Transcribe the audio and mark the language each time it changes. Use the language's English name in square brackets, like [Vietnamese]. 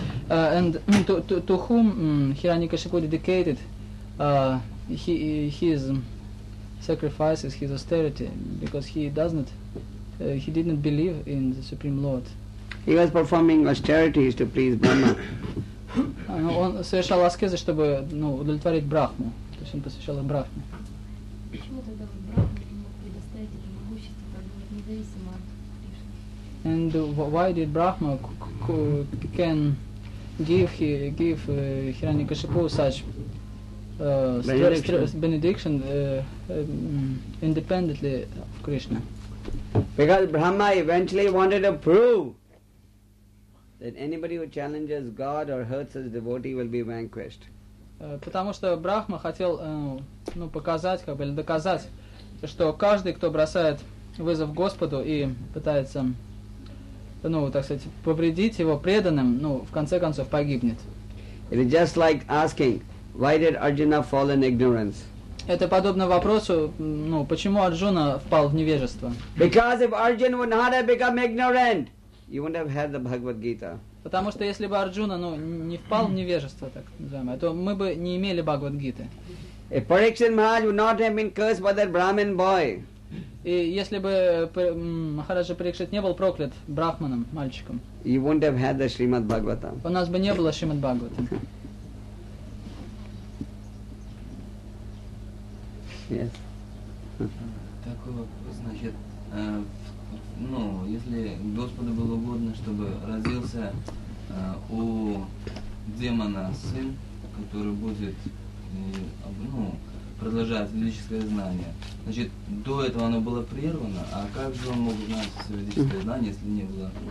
[English] And to whom Hiranyakashipu dedicated his sacrifices, his austerity, because he did not believe in the Supreme Lord. He was performing austerities to please Brahma. [Russian] Он совершал аскезы, чтобы, ну, удовлетворить Брахму. То есть он посвящал Брахме. Почему тогда Брахма не мог предоставить это могущество, как бы независимо от Кришны? [English] And why did Brahma can give Hiranyakashipu such benediction independently of Krishna. Because Brahma eventually wanted to prove that anybody who challenges God or hurts his devotee will be vanquished. [Russian] Потому что Брахма хотел ну, показать, как бы, или доказать, что каждый, кто бросает вызов Господу и пытается, ну, так сказать, повредить его преданным, ну, в конце концов, погибнет. [English] It is just like asking, why did Arjuna fall in ignorance? [Russian] Это подобно вопросу, ну, почему Арджуна впал в невежество? [English] Because if Arjuna would not have become ignorant, you wouldn't have had the Bhagavad Gita. [Russian] Потому что если бы Арджуна ну, не впал в невежество, так называемое, то мы бы не имели Бхагавад-гиты. [English] If Parikshit Maharaj would not have been cursed by that Brahmin boy. [Russian] И если бы Махараджа Парикшит не был проклят брахманом, мальчиком, [English] you wouldn't have had the Shrimad Bhagavatam. [Russian] У нас бы не было Шримад Бхагаватам. [English] Yes. [Russian] Так вот, значит, ну, если Господу было угодно, чтобы родился у демона сын, который будет ну, продолжать ведическое знание, значит, до этого оно было прервано, а как же он мог узнать все ведическое знание, если не было...